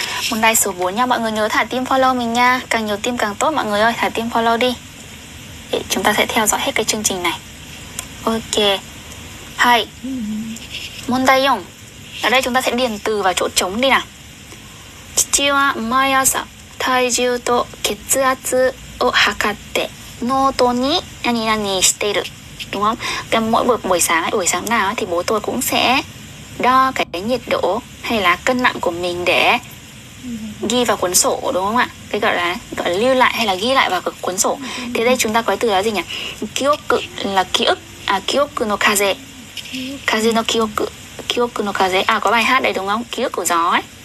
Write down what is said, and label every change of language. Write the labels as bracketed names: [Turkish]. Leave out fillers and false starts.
[Vietnamese] Môn đai số 4 nha. Mọi người nhớ thả tim follow mình nha. Càng nhiều tim càng tốt mọi người ơi. Thả tim follow đi. Để chúng ta sẽ theo dõi hết cái chương trình này. Ok. Hay. Môn đai 4. Ở đây chúng ta sẽ điền từ vào chỗ trống đi nào. [Japanese] Chichi wa mai asa. 体重と血圧を測ってノートに何々している, [Vietnamese] đúng không? Cái mỗi buổi sáng nào thì bố tôi cũng sẽ đo cái nhiệt độ hay là cân nặng của mình để ghi vào cuốn sổ, đúng không ạ? Cái gọi là lưu lại hay là ghi lại vào cuốn sổ. Thế đây chúng ta có từ là gì nhỉ? Kyoku là ký ức, à ký ức no kaze. Kaze no kyoku. Kyoku no kaze. À có bài hát đấy đúng không? Ký ức của gió ấy.